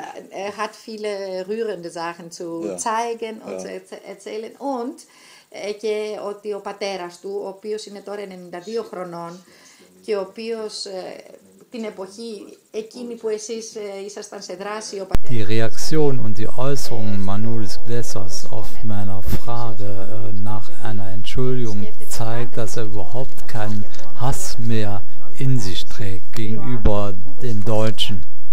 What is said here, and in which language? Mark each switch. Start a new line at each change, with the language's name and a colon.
German: Er hat viele rührende Sachen zu zeigen und zu erzählen. Und
Greek: και ότι ο πατέρας του, ο οποίος είναι τώρα 92 χρονών και ο οποίος την εποχή εκείνη που εσείς ήσασταν σε δράση, ο πατέρας...
German: Die Reaktion und die Äußerung Manolis Glessos auf meiner Frage nach einer Entschuldigung zeigt, dass er überhaupt keinen Hass mehr in sich trägt gegenüber den Deutschen.